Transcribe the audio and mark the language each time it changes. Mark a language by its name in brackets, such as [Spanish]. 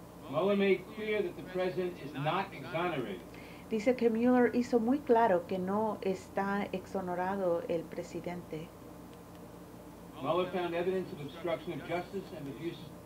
[English] Mueller made clear that the president is not exonerated. [Spanish] Dice que Mueller hizo muy claro que no está exonerado el presidente. [English] Mueller found evidence of obstruction of justice and abuse.